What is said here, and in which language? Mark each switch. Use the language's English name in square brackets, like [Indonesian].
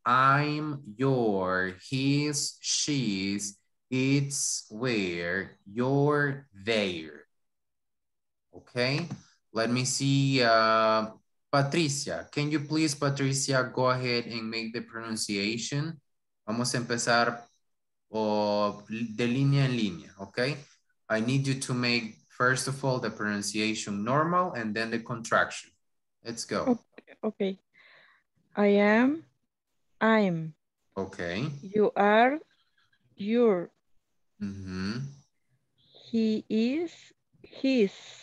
[English] I'm your, his, she's, it's, where, you're, there. Okay, let me see. Patricia, can you please, Patricia, go ahead and make the pronunciation? [Spanish] Vamos a empezar de línea en línea, okay? [English] I need you to make, first of all, the pronunciation normal and then the contraction. Let's go. Okay. I am, I'm. Okay. You are, you're. Mm-hmm. He is, his.